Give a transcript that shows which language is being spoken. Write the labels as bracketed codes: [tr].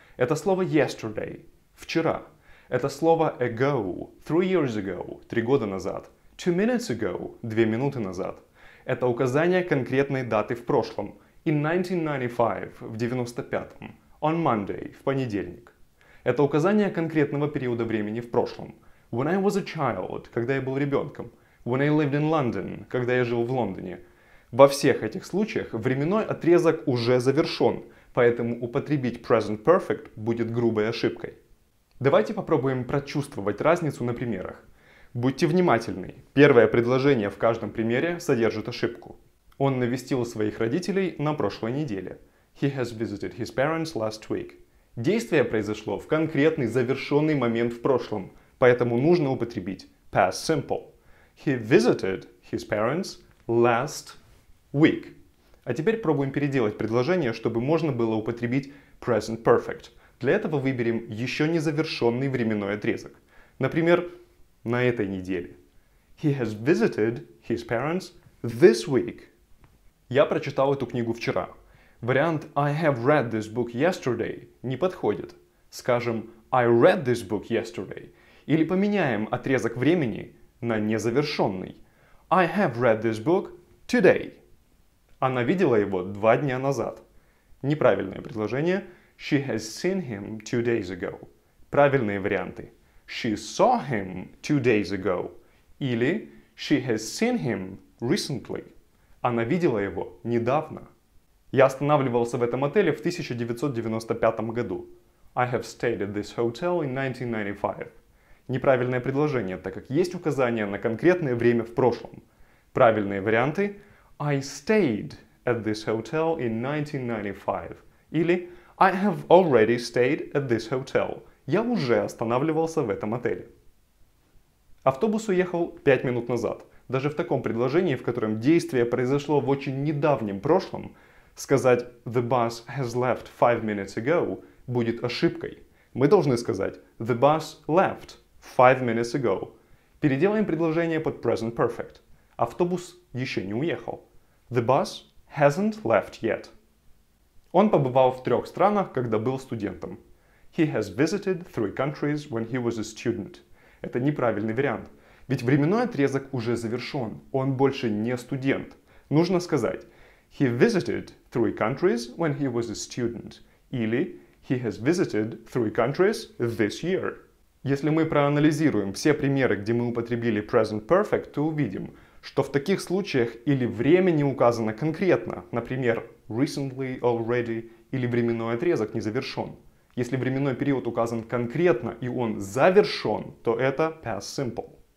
[ru] Это слово yesterday — вчера. Это слово ago — [en] 3 years ago [ru] — 3 года назад. 2 minutes ago — 2 минуты назад. Это указание конкретной даты в прошлом. [en] In 1995 — [ru] в 95-м. [en] On Monday [ru] — в понедельник. Это указание конкретного периода времени в прошлом. [en] When I was a child — [ru] когда я был ребенком. [en] When I lived in London [ru] — когда я жил в Лондоне. Во всех этих случаях временной отрезок уже завершен, поэтому употребить present perfect будет грубой ошибкой. Давайте попробуем прочувствовать разницу на примерах. Будьте внимательны. Первое предложение в каждом примере содержит ошибку. Он навестил своих родителей на прошлой неделе. [en] He has visited his parents last week. [ru] Действие произошло в конкретный завершенный момент в прошлом, поэтому нужно употребить past simple. [en] He visited his parents last week. [ru] А теперь пробуем переделать предложение, чтобы можно было употребить present perfect. Для этого выберем еще незавершенный временной отрезок. Например, на этой неделе. [en] He has visited his parents this week. [ru] Я прочитал эту книгу вчера. Вариант [en] I have read this book yesterday [ru] не подходит. [en] Скажем, I read this book yesterday. [ru] Или поменяем отрезок времени на незавершенный. [en] I have read this book today. [ru] Она видела его 2 дня назад. Неправильное предложение. [en] She has seen him 2 days ago. [ru] Правильные варианты. [en] She saw him 2 days ago. Или she has seen him recently. [ru] Она видела его недавно. Я останавливался в этом отеле в 1995 году. [en] I have stayed at this hotel in 1995. [ru] Неправильное предложение, так как есть указание на конкретное время в прошлом. Правильные варианты. [en] I stayed at this hotel in 1995. Или I have already stayed at this hotel. [ru] Я уже останавливался в этом отеле. Автобус уехал 5 минут назад. Даже в таком предложении, в котором действие произошло в очень недавнем прошлом, сказать [en] «The bus has left 5 minutes ago» [ru] будет ошибкой. Мы должны сказать [en] «The bus left 5 minutes ago». [ru] Переделаем предложение под present perfect. Автобус еще не уехал. [en] The bus hasn't left yet. [ru] Он побывал в 3 странах, когда был студентом. [en] He has visited 3 countries when he was a student. [ru] Это неправильный вариант. Ведь временной отрезок уже завершен. Он больше не студент. Нужно сказать [en] He visited 3 countries when he was a student. Или He has visited 3 countries this year. [ru] Если мы проанализируем все примеры, где мы употребили present perfect, то увидим, что в таких случаях или время не указано конкретно, например, recently, already, или временной отрезок не завершен. Если временной период указан конкретно и он завершен, то это past simple.